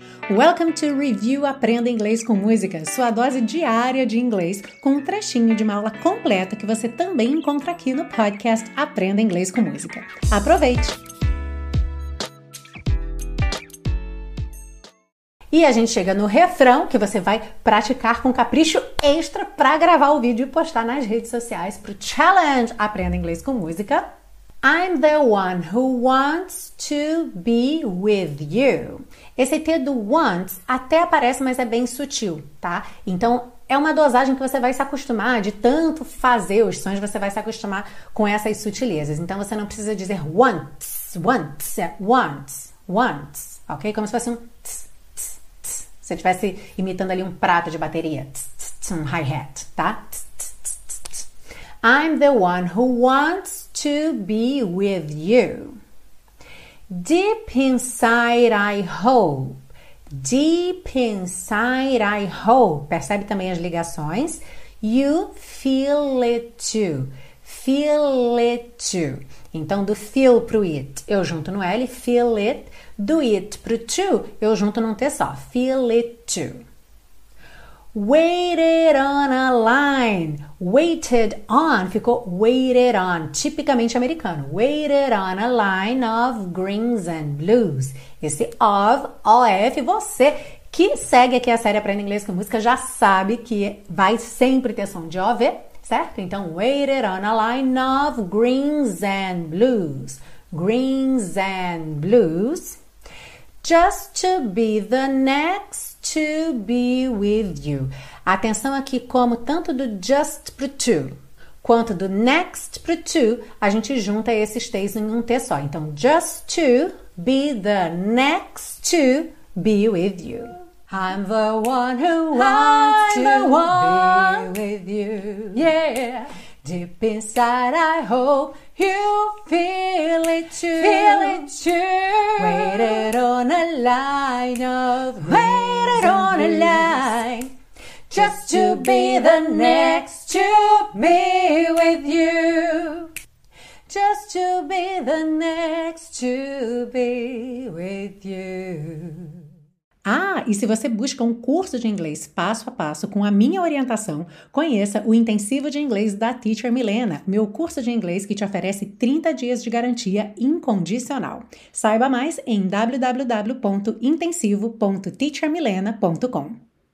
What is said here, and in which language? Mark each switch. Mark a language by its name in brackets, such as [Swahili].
[Portuguese] Welcome to Review Aprenda Inglês com Música, sua dose diária de inglês, com um trechinho de uma aula completa que você também encontra aqui no podcast Aprenda Inglês com Música. Aproveite! E a gente chega no refrão que você vai praticar com capricho extra para gravar o vídeo e postar nas redes sociais pro challenge Aprenda Inglês com Música. [English] I'm the one who wants to be with you. [Portuguese] Esse T do wants até aparece, mas é bem sutil, tá? Então, é uma dosagem que você vai se acostumar de tanto fazer os sons, você vai se acostumar com essas sutilezas. Então, você não precisa dizer wants, wants, wants, wants, ok? Como se fosse um tss, tss, tss. Se você estivesse imitando ali um prato de bateria, tss, tss, tss, um hi-hat, tá? Tss, tss, tss, tss, tss. [English] I'm the one who wants to be with you. Deep inside I hope. Deep inside I hope. [Portuguese] Percebe também as ligações. [English] You feel it too. Feel it too. [Portuguese] Então, do feel pro it, eu junto no L, feel it. Do it pro to, eu junto num T só. Feel it too. [English] Waited on a line. Waited on, ficou waited on, [Portuguese] tipicamente americano. [English] Waited on a line of greens and blues. [Portuguese] Esse of, O-F, você que segue aqui a série Aprenda Inglês com Música já sabe que vai sempre ter som de O-V, certo? [English] Então, waited on a line of greens and blues. Greens and blues. Just to be the next to be with you. [Portuguese] Atenção aqui, como tanto do just pro to, quanto do next pro to, a gente junta esses T's em um T só. [English] Então, just to be the next to be with you. I'm the one who wants to be with you. Yeah. Deep inside I hope you feel it too. Feel it too. Waited on a line of on a line, just to be the next to be with you, just to be the next to be with you. [Portuguese] Ah, e se você busca um curso de inglês passo a passo com a minha orientação, conheça o Intensivo de Inglês da Teacher Milena, meu curso de inglês que te oferece 30 dias de garantia incondicional. Saiba mais em www.intensivo.teachermilena.com.